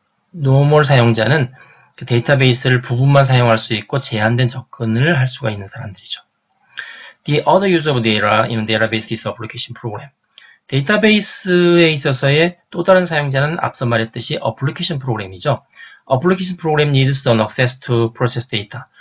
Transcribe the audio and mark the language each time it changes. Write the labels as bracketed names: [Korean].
[Korean] 노멀 사용자는 그 데이터베이스를 부분만 사용할 수 있고 제한된 접근을 할 수가 있는 사람들이죠. [English] The other use of data in database is application program. [Korean] 데이터베이스에 있어서의 또 다른 사용자는 앞서 말했듯이 application program이죠. [English] Application program needs an access to process data.